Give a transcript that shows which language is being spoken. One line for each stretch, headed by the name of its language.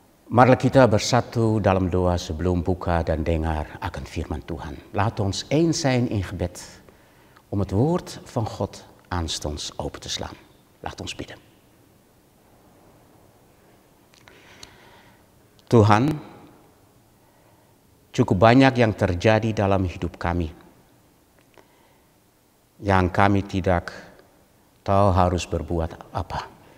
Indonesian: Marilah kita bersatu dalam doa sebelum buka dan dengar akan firman Tuhan.
Dutch: Laat ons eens zijn in gebed om het woord van God aanstonds open te slaan. Laat ons bidden.
Indonesian: Tuhan, cukup banyak yang terjadi dalam hidup kami yang kami tidak tahu harus berbuat apa.